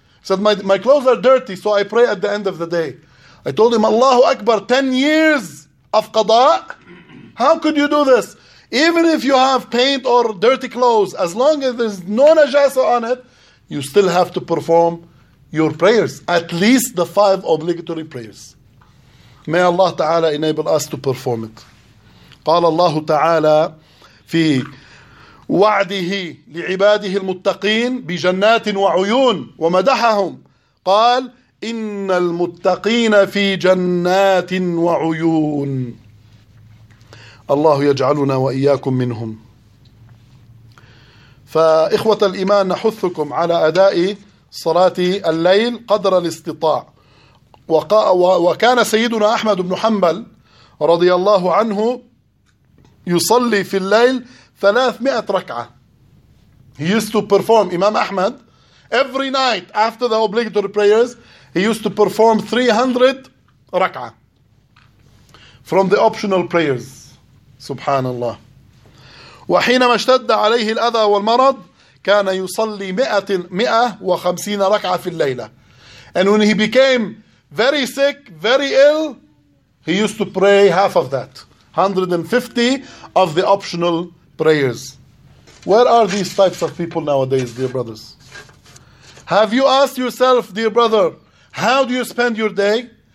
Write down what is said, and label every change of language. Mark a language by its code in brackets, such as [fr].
[en] He said, my clothes are dirty, so I pray at the end of the day. I told him, Allahu Akbar, 10 years of qada? How could you do this? Even if you have paint or dirty clothes, as long as there's no najasa on it, you still have to perform your prayers, at least the five obligatory prayers. May Allah Ta'ala enable us to perform it. [ar] قال الله تعالى في وعده لعباده المتقين بجنات وعيون ومدحهم قال إن المتقين في جنات وعيون الله يجعلنا وإياكم منهم. فإخوة الإيمان نحثكم على أداء صلاة الليل قدر الاستطاع. وكان سيدنا أحمد بن حنبل رضي الله عنه يصلي في الليل 300 ركعة. [en] He used to perform, Imam Ahmad, every night after the obligatory prayers, he used to perform 300 ركعة from the optional prayers. Subhanallah. [ar] وحينما اشتد عليه الأذى والمرض كان يصلي 150 ركعة في الليلة. [en] And when he became very sick, very ill, he used to pray half of that, 150 of the optional prayers. Where are these types of people nowadays, dear brothers? Have you asked yourself, dear brother, how do you spend your day?